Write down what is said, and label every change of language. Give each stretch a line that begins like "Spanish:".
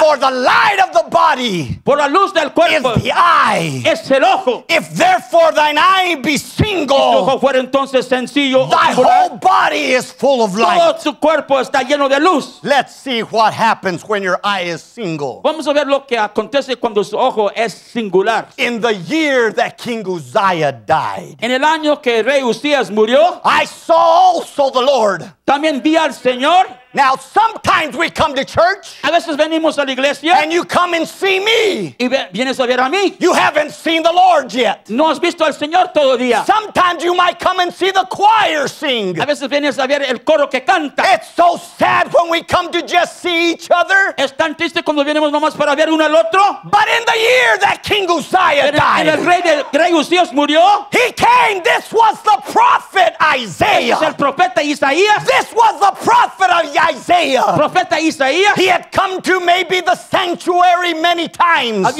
English: For the light of the body,
Spanish: por la luz del cuerpo,
English: is the eye.
Spanish: Es el ojo.
English: If therefore thine eye be single,
Spanish: si tu ojo fuera entonces sencillo,
English: thy
Spanish: singular,
English: whole body is full of light.
Spanish: Todo tu cuerpo está lleno de luz.
English: Let's see what happens when your eye is single.
Spanish: Vamos a ver lo que acontece cuando su ojo es singular.
English: In the year that King Uzziah died,
Spanish: en el año que rey Uzías murió,
English: I saw also the Lord.
Spanish: También vi al Señor.
English: Now, sometimes we come to church.
Spanish: A veces venimos a la iglesia.
English: And you come and see me.
Spanish: Y vienes a ver a mí.
English: You haven't seen the Lord yet.
Spanish: No has visto al Señor todavía.
English: Sometimes you might come and see the choir sing.
Spanish: A veces vienes a ver el coro que canta.
English: It's so sad when we come to just see each other.
Spanish: Es tan triste cuando venimos nomás para ver uno al otro.
English: But in the year that King Uzziah died.
Spanish: En el rey de Rey Uzías murió.
English: He came. This was the prophet Isaiah.
Spanish: Es el profeta Isaías.
English: This was the prophet of Isaiah.
Spanish: Profeta Isaías.
English: He had come to maybe the sanctuary many times.